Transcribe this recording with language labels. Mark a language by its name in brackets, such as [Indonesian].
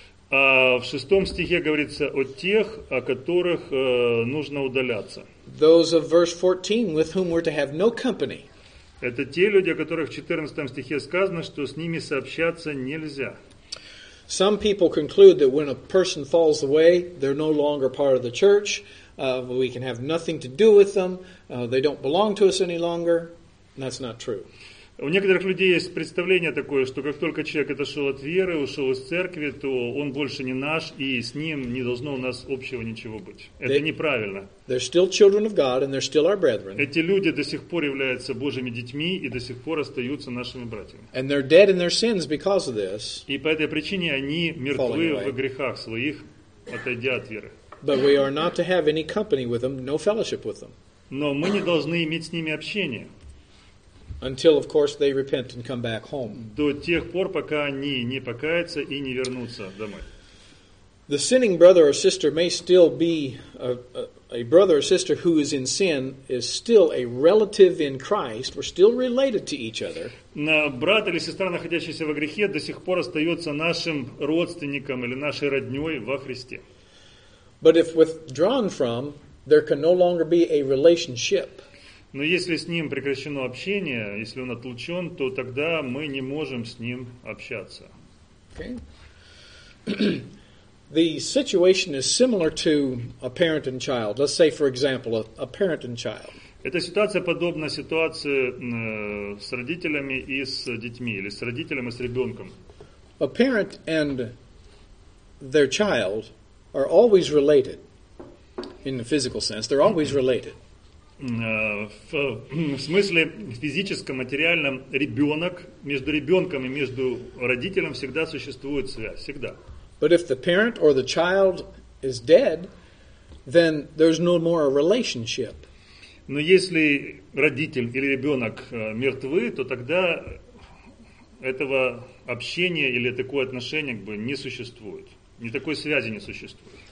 [Russian] А в шестом стихе говорится о тех, о которых нужно удаляться. [English] Those of verse 14, with whom we're to have no company. [Russian] Это те люди, о которых в 14 стихе сказано, что с ними сообщаться нельзя. [English] Some people conclude that when a person falls away, they're no longer part of the church. We can have nothing to do with them. They don't belong to us any longer. That's not true. [Russian] У некоторых людей есть представление такое, что как только человек отошел от веры, ушел из церкви, то он больше не наш, и с ним не должно у нас общего ничего быть. Это неправильно. [English] They're still children of God, and they're still our brethren. [Russian] Эти люди до сих пор являются Божьими детьми и до сих пор остаются нашими братьями. [English] And they're dead in their sins because of this. [Russian] И по этой причине они мертвы в грехах своих, отойдя от веры. [English] But we are not to have any company with them, no fellowship with them. [Russian] Но мы не должны иметь с ними общения. [English] Until, of course, they repent and come back home. [Russian] До тех пор, пока они не покаятся и не вернутся домой. [English] The sinning brother or sister may still be a brother or sister who is in sin is still a relative in Christ. We're still related to each other. [Russian] Брат или сестра, находящийся во грехе, до сих пор остается нашим родственником или нашей родней во Христе. [English] But if withdrawn from, there can no longer be a relationship. [Russian] Но если с ним прекращено общение, если он отлучен, то тогда мы не можем с ним общаться. [English] Okay. The situation is similar to a parent and child. Let's say, for example, a parent and child. [Russian] Эта ситуация подобна ситуации с родителями и с детьми, или с родителем и с ребенком. [English] A parent and their child are always related in the physical sense. They're always related. [Russian] В смысле физическом, материальном, ребенок, между ребенком и между родителем всегда существует связь, всегда. [English] But if the parent or the child is dead, then there's no more a relationship. [Russian] Но если родитель или ребенок мертвы, то тогда этого общения или такое отношение как бы не существует. Ни такой связи не существует.